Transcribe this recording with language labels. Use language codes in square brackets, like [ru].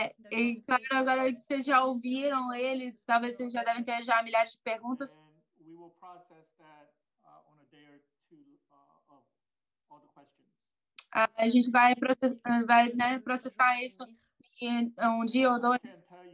[pt] E claro, agora que vocês já ouviram ele, talvez vocês já devem ter já milhares de perguntas. [en] And we will process that on a day or two of all the questions. [pt] A gente vai processar isso em um dia ou dois.